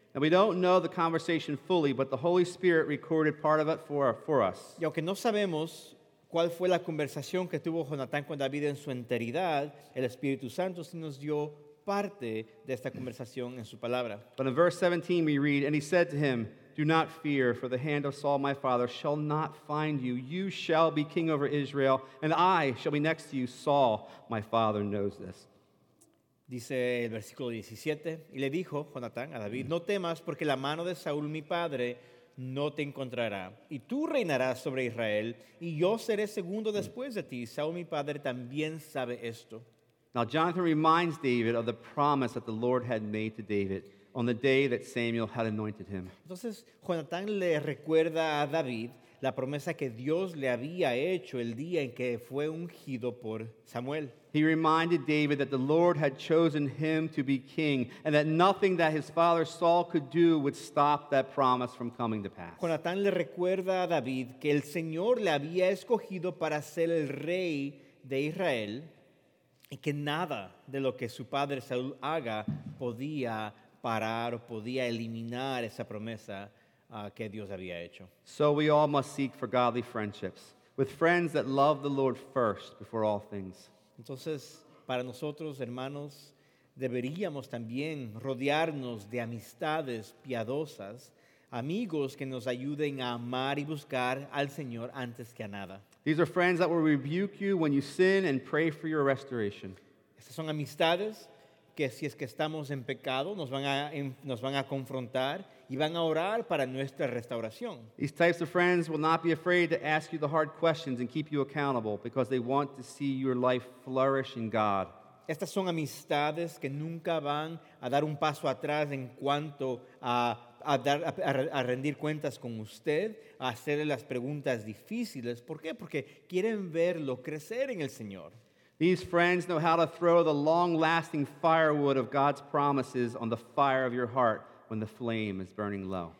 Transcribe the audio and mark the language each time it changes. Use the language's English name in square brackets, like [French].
[English] And we don't know the conversation fully, but the Holy Spirit recorded part of it for us. [Spanish] Y aunque no sabemos cuál fue la conversación que tuvo Jonatán con David en su enteridad, el Espíritu Santo sí nos dio parte de esta conversación en su palabra. [English] But in verse 17 we read, and he said to him, do not fear, for the hand of Saul my father shall not find you. You shall be king over Israel, and I shall be next to you. Saul my father knows this. [Spanish] Dice el versículo 17, y le dijo Jonatán a David, no temas, porque la mano de Saúl mi padre no te encontrará, y tú reinarás sobre Israel, y yo seré segundo después de ti. Saúl mi padre también sabe esto. [English] Now Jonathan reminds David of the promise that the Lord had made to David on the day that Samuel had anointed him. [Spanish] Entonces, Jonatán le recuerda a David la promesa que Dios le había hecho el día en que fue ungido por Samuel. [English] He reminded David that the Lord had chosen him to be king and that nothing that his father Saul could do would stop that promise from coming to pass. [Spanish] Jonatán le recuerda a David que el Señor le había escogido para ser el rey de Israel y que nada de lo que su padre Saúl haga podía parar o podía eliminar esa promesa que Dios había hecho. [English] So we all must seek for godly friendships with friends that love the Lord first before all things. [Spanish] Entonces, para nosotros, hermanos, deberíamos también rodearnos de amistades piadosas, amigos que nos ayuden a amar y buscar al Señor antes que a nada. [English] These are friends that will rebuke you when you sin and pray for your restoration. [Spanish] Estas son amistades que si es que estamos en pecado, nos van a confrontar y van a orar para nuestra restauración. [English] These types of friends will not be afraid to ask you the hard questions and keep you accountable because they want to see your life flourish in God. [Spanish] Estas son amistades que nunca van a dar un paso atrás en cuanto a rendir cuentas con usted, a hacerle las preguntas difíciles. ¿Por qué? Porque quieren verlo crecer en el Señor. [English] These friends know how to throw the long-lasting firewood of God's promises on the fire of your heart when the flame is burning low.